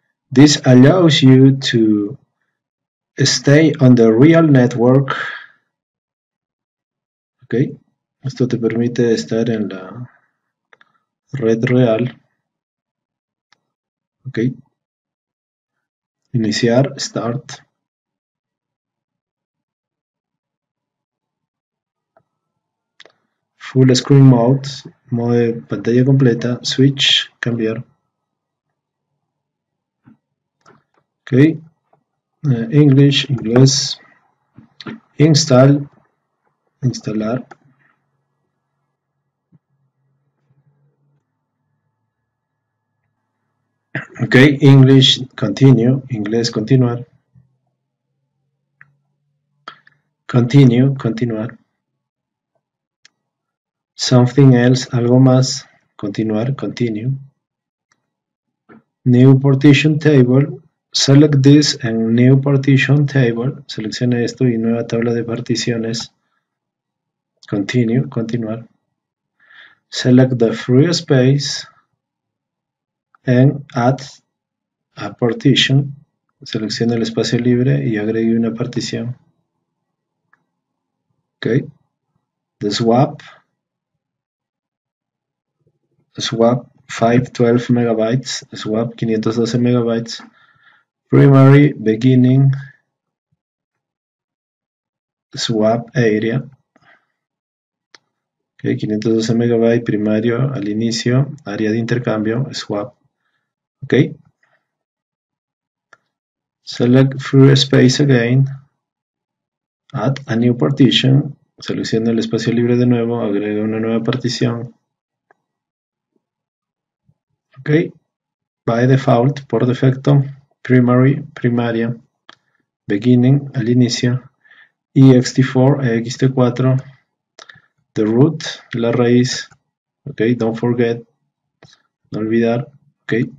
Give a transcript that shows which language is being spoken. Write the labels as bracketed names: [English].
[English] This allows you to stay on the real network. [Spanish] Ok, esto te permite estar en la red real. Ok, iniciar, [English] start. Full screen mode, [Spanish] modo de pantalla completa, [English] switch, [Spanish] cambiar. [English] Ok, English, [Spanish] inglés, [English] install, [Spanish] instalar. [English] Ok, English, continue, [Spanish] inglés, continuar. [English] Continue, [Spanish] continuar. [English] Something else, [Spanish] algo más, continuar, [English] continue. New partition table. Select this and new partition table. [Spanish] Seleccione esto y nueva tabla de particiones. [English] Continue, [Spanish] continuar. [English] Select the free space and add a partition. [Spanish] Seleccione el espacio libre y agregue una partición. [English] Ok. The swap. Swap 512 megabytes. Swap 512 megabytes. Primary, beginning, swap area. [Spanish] Okay, 512 megabyte primario al inicio, área de intercambio, swap. Ok. [English] Select free space again. Add a new partition. [Spanish] Selecciona el espacio libre de nuevo, agrega una nueva partición. Ok. [English] By default, [Spanish] por defecto. [English] Primary, [Spanish] primaria, [English] beginning, [Spanish] al inicio, ext4, ext4, [English] the root, [Spanish] la raíz, ok, [English] don't forget, [Spanish] no olvidar, ok.